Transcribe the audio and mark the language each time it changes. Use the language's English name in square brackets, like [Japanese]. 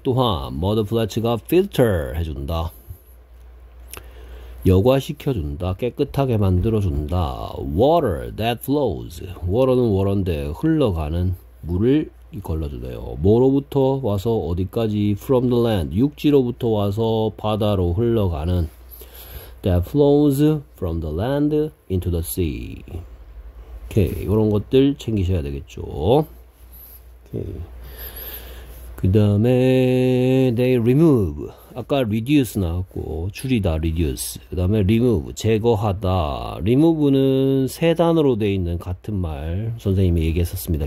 [Korean] 또한 mud flats가 filter 해준다. 여과시켜준다. 깨끗하게 만들어준다. [English] Water that flows. [Korean] water는 water인데 흘러가는 물을 걸러주네요. 뭐로부터 와서 어디까지? [English] From the land. [Korean] 육지로부터 와서 바다로 흘러가는. [English] That flows from the land into the sea. [Korean] 오케이. 이런 것들 챙기셔야 되겠죠. 오케이. 그 다음에, [English] they remove. [Korean] 아까 reduce 나왔고, 줄이다, reduce. 그 다음에 remove, 제거하다. remove는 세 단어로 돼 있는 같은 말, 선생님이 얘기했었습니다.